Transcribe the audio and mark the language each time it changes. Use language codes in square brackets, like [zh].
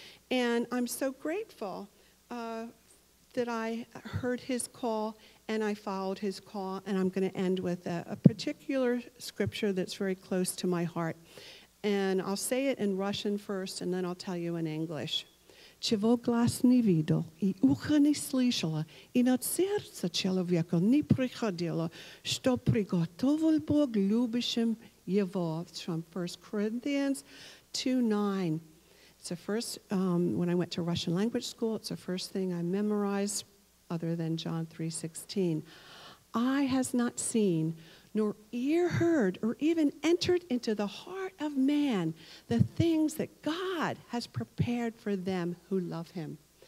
[en] And I'm so grateful that I heard his call and I followed his call. And I'm going to end with a particular scripture that's very close to my heart. And I'll say it in Russian first, and then I'll tell you in English. [ru] Чего глаз не видел, и ухо не слышало, и над сердце человека не приходило, что приготовил Бог любящим его. [en] It's from 1 Corinthians 2:9. It's the first, when I went to Russian language school, it's the first thing I memorized, other than John 3:16. Eye has not seen, nor ear heard, or even entered into the heart of man, the things that God has prepared for them who love him.